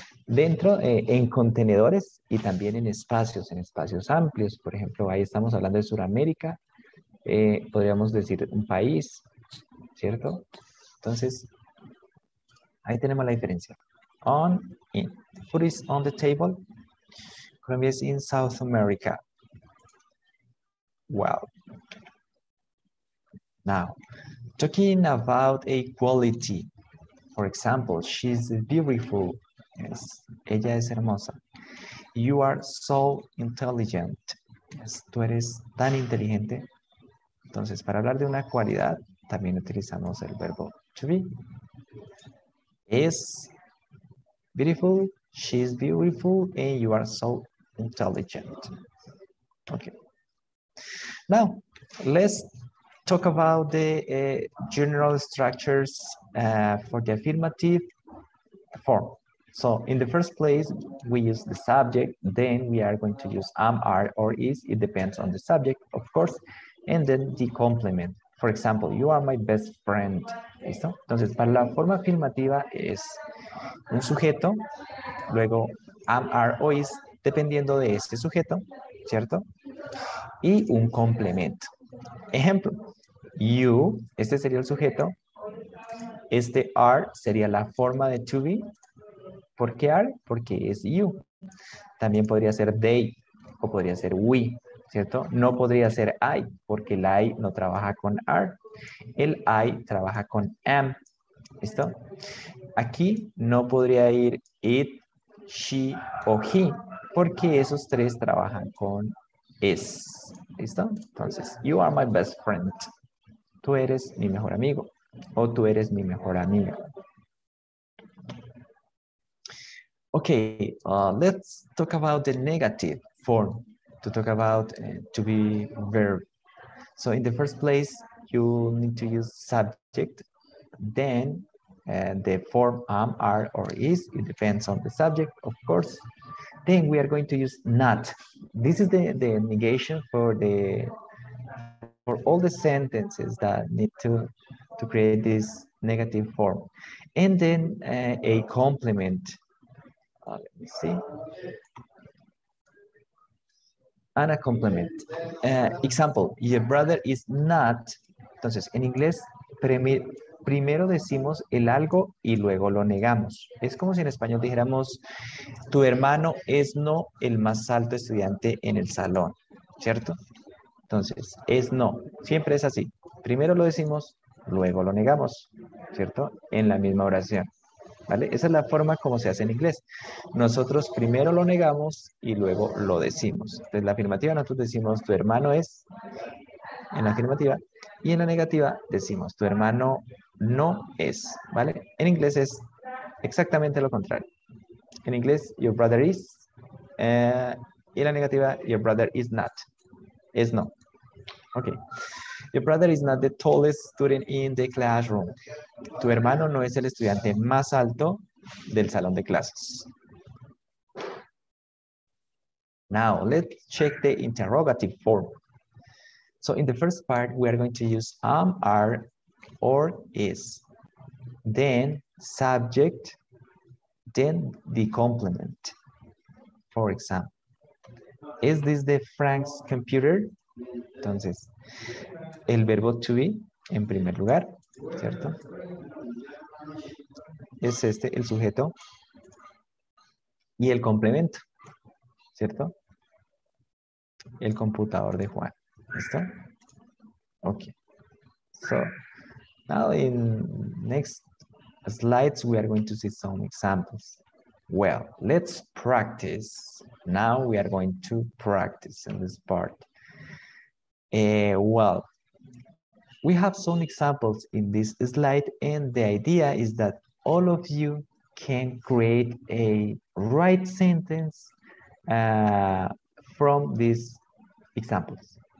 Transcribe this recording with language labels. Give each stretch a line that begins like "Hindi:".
Spanish: Dentro, en contenedores y también en espacios amplios. Por ejemplo, ahí estamos hablando de Sudamérica. Podríamos decir un país, ¿cierto? Entonces, ahí tenemos la diferencia.
English: On, in. Food is on the table. Colombia is in South America. Wow. Now, talking about a quality. For example, she's beautiful. Yes,
Spanish: ella es hermosa.
English: You are so intelligent.
Spanish: Yes, tú eres tan inteligente. Entonces, para hablar de una cualidad, también utilizamos el verbo to be.
English: Is beautiful, she is beautiful, and you are so intelligent. Okay. Now, let's talk about the general structures for the affirmative form. So, in the first place, we use the subject. Then we are going to use am, are, or is. It depends on the subject, of course. And then the complement. For example, you are my best friend.
Spanish: ¿Listo? Entonces, para la forma afirmativa es un sujeto, luego am, are, o is, dependiendo de este sujeto, ¿cierto? Y un complemento. Ejemplo, you, este sería el sujeto, este are sería la forma de to be. ¿Por qué are? Porque es you. También podría ser they o podría ser we. ¿Cierto? No podría ser I, porque el I no trabaja con are. El I trabaja con am. ¿Listo? Aquí no podría ir it, she o he, porque esos tres trabajan con is. ¿Listo?
English: Entonces, you are my best friend.
Spanish: Tú eres mi mejor amigo o tú eres mi mejor amiga.
English: Ok, let's talk about the negative form. To talk about to be verb. So in the first place, you need to use subject. Then the form am, are, or is. It depends on the subject, of course. Then we are going to use not. This is the negation for all the sentences that need to create this negative form. And then a complement. Let me see. And a complement. Example, your brother is not.
Spanish: Entonces, en inglés, primero decimos el algo y luego lo negamos. Es como si en español dijéramos, tu hermano es no el más alto estudiante en el salón, ¿cierto? Entonces, es no. Siempre es así. Primero lo decimos, luego lo negamos, ¿cierto? En la misma oración. ¿Vale? Esa es la forma como se hace en inglés. Nosotros primero lo negamos y luego lo decimos. Entonces, la afirmativa, nosotros decimos, tu hermano es, en la afirmativa. Y en la negativa decimos, tu hermano no es. ¿Vale? En inglés es exactamente lo contrario. En inglés,
English: your brother is.
Spanish: Y en la negativa,
English: your brother is not.
Spanish: Es no. Okay.
English: Your brother is not the tallest student in the classroom.
Spanish: Tu hermano no es el estudiante más alto del salón de clases.
English: Now, let's check the interrogative form. So in the first part, we are going to use am, are, or is. Then subject, then the complement. For example, is this the Frank's computer?
Spanish: Entonces, el verbo to be en primer lugar, ¿cierto? Es este el sujeto y el complemento, ¿cierto? El computador de Juan, ¿listo?
English: Ok. So, now in next slides, we are going to see some examples. Well, let's practice. Now we are going to practice in this part. Well, we have some examples in this slide, and the idea is that all of you can create a right sentence from these examples.